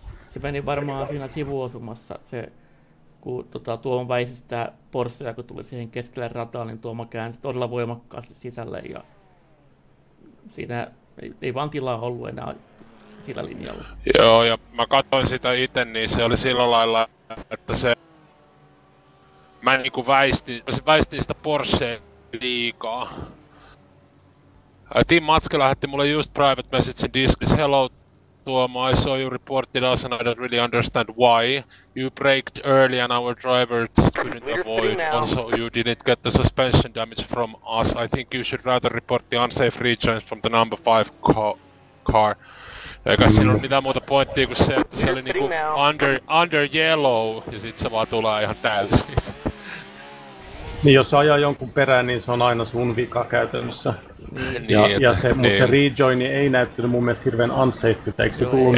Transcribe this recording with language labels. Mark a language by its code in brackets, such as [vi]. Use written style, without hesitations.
[fi] Se meni varmaan siinä sivuosumassa, se, kun tota, Tuomo väisi sitä Porschea, kun tuli siihen keskelle rataan, niin Tuomo käänsi todella voimakkaasti sisälle ja siinä ei vaan tilaa ollut enää sillä linjalla. Joo, ja mä katsoin sitä itse, niin se oli sillä lailla, että se... Mä niinku väistin sitä Porschea liikaa. Tim Matske lähetti mulle just [en] private message [fi] diskis. [en] Hello Tuomo, I saw you reported us and I don't really understand why. You braked early and our driver just couldn't avoid. Also, you didn't get the suspension damage from us. I think you should rather report the unsafe rejoins from the number 5 car. [fi] Eikä siinä ole mitään muuta pointtia kuin se, että se oli niinku [en] under yellow. [fi] Ja sit se vaan tulee ihan täysin. Niin jos ajaa jonkun perään, niin se on aina sun vika käytännössä. Niin, ja se, niin. Mutta se rejoin ei näyttänyt mun mielestä hirveän unsafe, eikö se tullut?